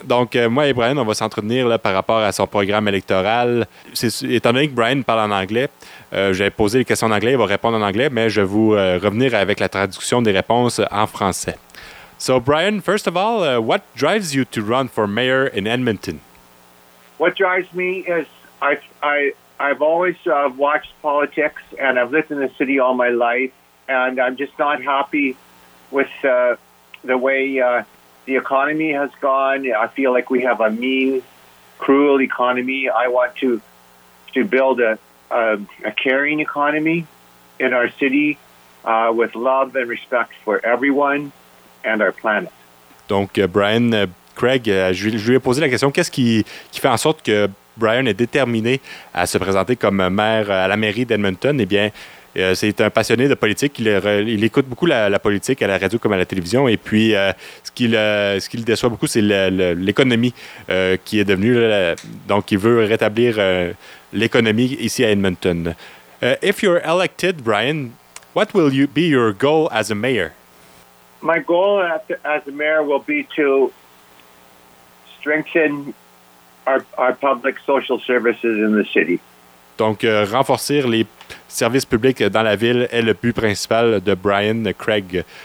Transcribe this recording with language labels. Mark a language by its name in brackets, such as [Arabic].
[French] Donc, moi et Brian, on va s'entretenir là, par rapport à son programme électoral. Étant donné que Brian parle en anglais, j'ai posé les questions en anglais, il va répondre en anglais, mais je vais vous revenir avec la traduction des réponses en français. [English] So, Brian, first of all, what drives you to run for mayor in Edmonton? What drives me is I've always watched politics, and I've lived in the city all my life, and I'm just not happy with the way the economy has gone. I feel like we have a mean, cruel economy. I want to build a caring economy in our city with love and respect for everyone and our planet. [French] Donc, Brian, Craig, je lui ai posé la question, qu'est-ce qui fait en sorte que Brian est déterminé à se présenter comme maire à la mairie d'Edmonton? Eh bien, c'est un passionné de politique. Il écoute beaucoup la politique à la radio comme à la télévision. Et puis, ce qu'il déçoit beaucoup, c'est l'économie qui est devenue. Donc, il veut rétablir l'économie ici à Edmonton. [English] If you're elected, Brian, what will you be your goal as a mayor? My goal as a mayor will be to strengthen our public social services in the city. [French] Donc, renforcer les services publics dans la ville est le but principal de Brian Craig.